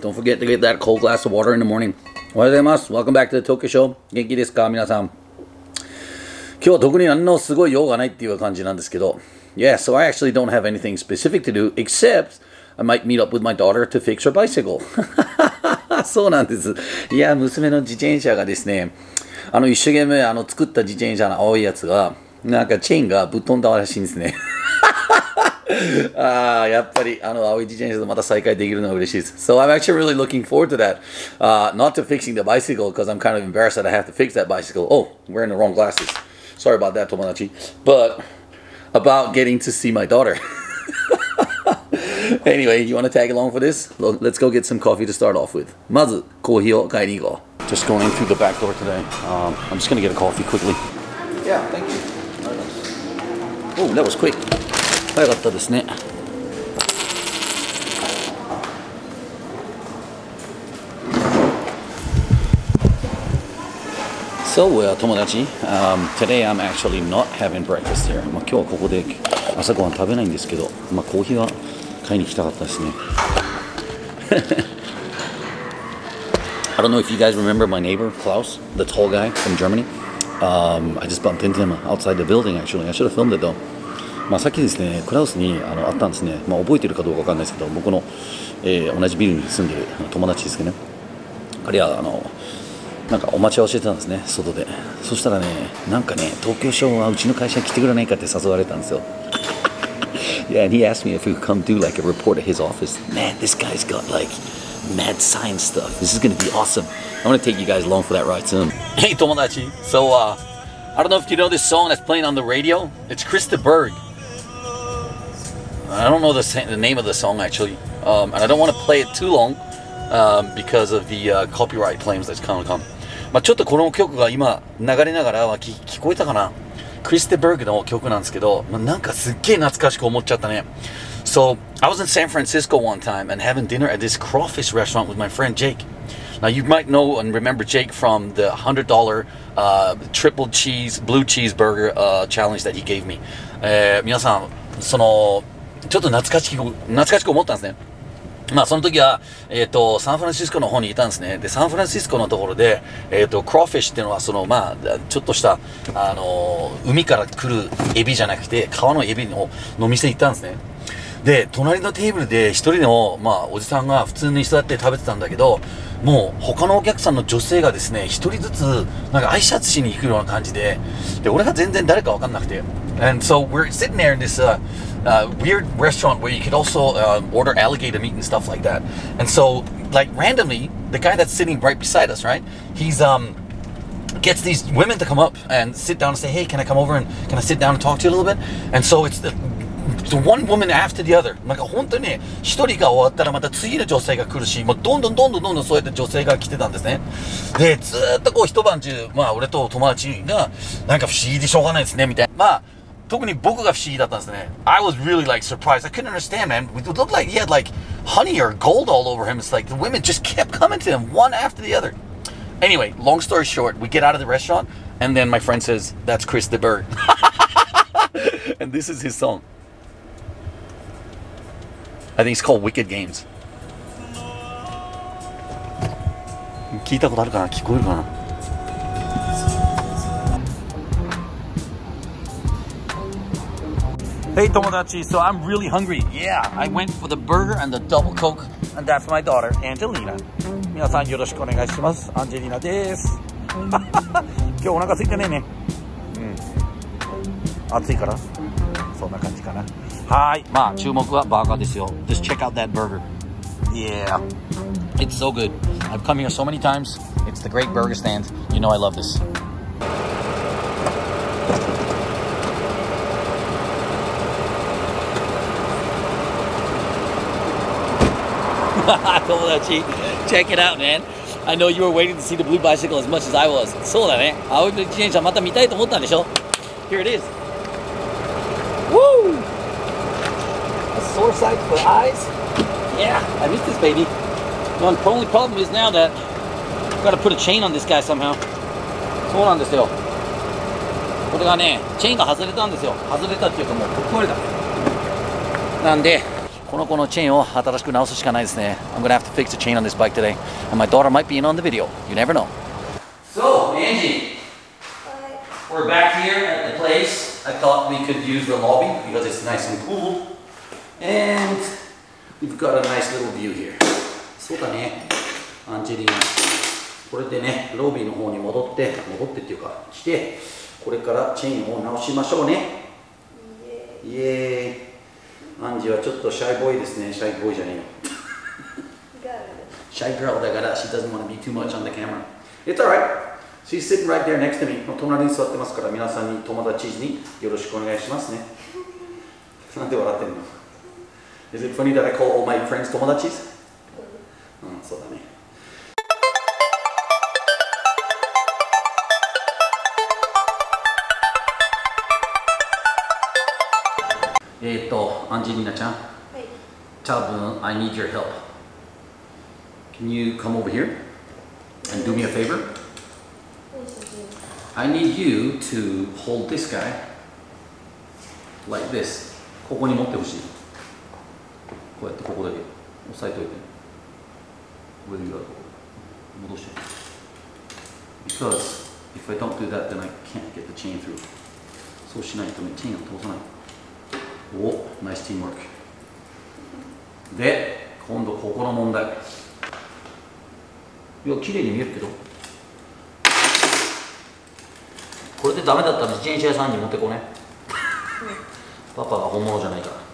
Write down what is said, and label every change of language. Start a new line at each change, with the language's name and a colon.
English: Don't forget to get that cold glass of water in the morning.
Japanese: おはようございます。
English: Welcome back to the Tokyo Show.
Japanese: 元気ですか、皆さん。今日は特に何のすごい用がないっていう感じなんですけど。
English: Yeah, so I actually don't have anything specific to do, except I might meet up with my daughter to fix her bicycle.
Japanese: そうなんです。いや、娘の自転車がですね、一生懸命作った自転車の青いやつが、なんかチェーンがぶっ飛んだらしいんですね。やっぱり青い自転車とまた再会できるのは嬉しいです。
English: So I'm actually really looking forward to that. Not to fixing the bicycle, because I'm kind of embarrassed that I have to fix that bicycle. Oh, wearing the wrong glasses. Sorry about that, 友達.But about getting to see my daughter. Anyway, you want to tag along for this? Let's go get some coffee to start off with.
Japanese: まずコーヒーを買いに行こう。
English: Just going through the back door today. I'm just going to get a coffee quickly. Yeah, thank you. Oh, that was quick.
Japanese: 早かったですね。
English: So, 友達、today I'm actually not having breakfast here.
Japanese: 今日はここで朝ごはん食べないんですけど、コーヒーは買いに来たかったですね。
English: I don't know if you guys remember my neighbor, Klaus, the tall guy from Germany. I just bumped into him outside the building, actually. I should have filmed it, though.
Japanese: まあ、さっきですね、クラウスに会ったんですね、覚えてるかどうかわかんないですけど、僕の、同じビルに住んでる友達ですけどね、彼はなんかお待ち合わせしてたんですね、外で。そしたらね、なんかね、東京ショーはうちの会社に来てくれないかって誘われたんですよ。
English: Yeah, and he asked me if he could come do like a report at his office. Man, this guy's got like mad science stuff. This is gonna be awesome. I'm gonna take you guys along for that ride soon. Hey, 友達、so, I don't know if you know this song that's playing on the radio. It's Krista Berg. I don't know the name of the song actually, and I don't want to play it too long, because of the copyright claims that's kind of come.
Japanese: まあちょっとこの曲が今流れながらは聞こえたかな。クリステ・バーグの曲なんですけど、なんかすっげえ懐かしく思っちゃったね。
English: So I was in San Francisco one time and having dinner at this crawfish restaurant with my friend Jake. Now you might know and remember Jake from the $100 triple cheese blue cheeseburger challenge that he gave me.
Japanese: 皆さんそのちょっと懐かしく思ったんですね。まあその時は、サンフランシスコの方にいたんですね。で、サンフランシスコのところで、クローフィッシュっていうのは、まあ、ちょっとした、海から来るエビじゃなくて、川のエビの店に行ったんですね。で、隣のテーブルで一人の、まあ、おじさんが普通に座って食べてたんだけど、もう他のお客さんの女性がですね、一人ずつ、なんか挨拶しに行くような感じで、で、俺が全然誰かわかんなくて。
English: And so we're sitting there in this, weird restaurant where you could also, order alligator meat and stuff like that. And so, like, randomly, the guy that's sitting right beside us, right? He's, gets these women to come up and sit down and say, hey, can I come over and can I sit down and talk to you a little bit? And so it's the one woman after the other.
Japanese: なんか本当にね、一人が終わったらまた次の女性が来るし、もうどんどんどんどんどんどんそうやって女性が来てたんですね。で、ずっとこう一晩中、まあ俺と友達が、なんか不思議でしょうがないですね、みたいな。まあ、特に僕が不思議だったんですね。
English: I was really like surprised. I couldn't understand, man. It looked like he had like honey or gold all over him. It's like the women just kept coming to him one after the other. Anyway, long story short, we get out of the restaurant and then my friend says, that's Chris the Bird. And this is his song. I think it's called Wicked Games.
Japanese: 聞いたことあるかな？聞こえるかな？
English: Hey, 友達, so I'm really hungry. Yeah, I went for the burger and the double coke. And that's my daughter, Angelina.
Japanese: 皆さんよろしくお願いします。アンジェリーナです。今日お腹空いてないね。うん。暑いから。そんな感じかな。はい。まあ、注目はバーガーですよ。
English: Just check out that burger. Yeah. It's so good. I've come here so many times. It's the great burger stand. You know I love this. 友達、check it out, man. I know you were waiting to see the blue bicycle as much as I was.
Japanese: そうだね。青い自転車また見たいと思ったんでしょ。
English: Here it is. Woo! A sore sight for eyes. Yeah, I missed this baby. The only problem is now that I've got to put a chain on this guy somehow.
Japanese: そうなんですよ。これがね、チェーンが外れたんですよ。外れたっていうかもう、壊れた。なんで、この子のチェーンを新しく直すしかないですね。
English: I'm gonna have to fix the chain on this bike today. And my daughter might be in on the video. You never know. So, Angie. We're back here at the place. I thought we could use the lobby because it's nice and cool. And we've got a nice little view here.
Japanese: そうだね。アンジェリーナ。これでね、ロビーの方に戻ってっていうか、来て、これからチェーンを直しましょうね。イエーイ。アンジーはちょっとシャイボーイですね。シャイボーイじゃねえよ。シャイグラルだから、
English: she doesn't want to be too much on the camera. It's alright. She's sitting right there next to me.
Japanese: 隣に座ってますから、皆さんに友達によろしくお願いしますね。なんで笑ってんの？
English: Is it funny that I call all my friends 友達？う
Japanese: ん、そうだね。アンジェリーナちゃん、はい、
English: 多分 I need your help. Can you come over here and do me a favor? I need you to hold this guy like this.
Japanese: ここに持ってほしい。こうやってここだけ押さえておいて。
English: Where do you go?
Japanese: 戻して。
English: Because if I don't do that, then I can't get the chain through.
Japanese: そうしないとね、チェーンを通さない。お、ナイスティームワーク。で、今度ここの問題。いや、綺麗に見えるけど。これでダメだったら自転車屋さんに持ってこね。パパが本物じゃないから。